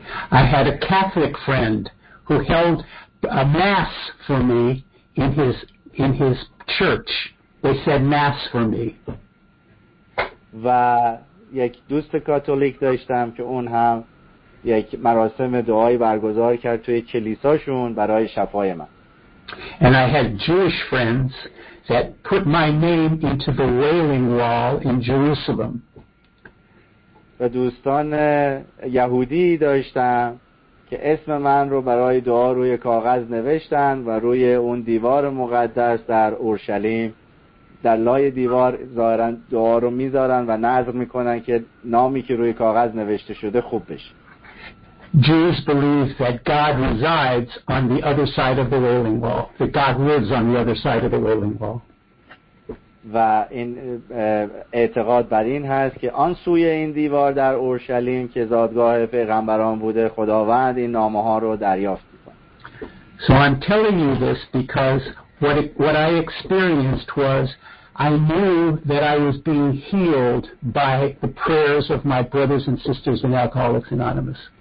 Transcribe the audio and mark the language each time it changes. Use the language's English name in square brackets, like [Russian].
[English] I had a Catholic friend who held a mass for me in his church. They said mass for me. [Persian] و یک دوست کاتولیک داشتم که اون هم یک مراسم دعایی برگزار کرد توی کلیساشون برای شفای من. [English] And I had Jewish friends that put my name into the Wailing Wall in Jerusalem. [Persian] و دوستان یهودی داشتم که اسم من رو برای دعا روی کاغذ نوشتن و روی اون دیوار مقدس در اورشلیم در لای دیوار ظاهرن دعا رو میذارن و نذر میکنن که نامی که روی کاغذ نوشته شده خوب بشه. [English] Jews believe that God resides on the other side of the Wailing Wall. That God lives on the other side of the Wailing Wall. [Persian] و این اعتقاد بر این هست که آن سوی این دیوار در اورشلیم که زادگاه پیغمبران بوده خداوند این نامه ها رو دریافت می‌کنه. [English] So I'm telling you this because what I experienced was I knew that I was being healed by the prayers of my brothers and sisters in Alcoholics Anonymous.